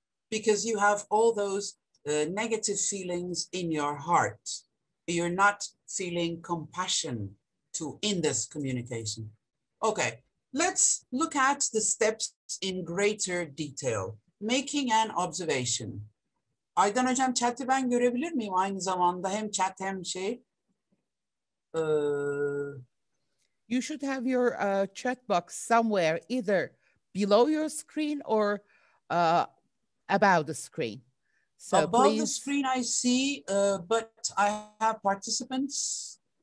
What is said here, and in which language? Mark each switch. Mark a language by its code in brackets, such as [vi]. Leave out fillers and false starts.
[en] Because you have all those negative feelings in your heart. You're not feeling compassion in this communication. Okay, let's look at the steps in greater detail. Making an observation. [tr] Aydan hocam, chat'i ben görebilir miyim aynı zamanda? Hem chat hem şey. [en] You should have your chat box somewhere, either below your screen or about the screen. So above please, the screen I see, but I have participants.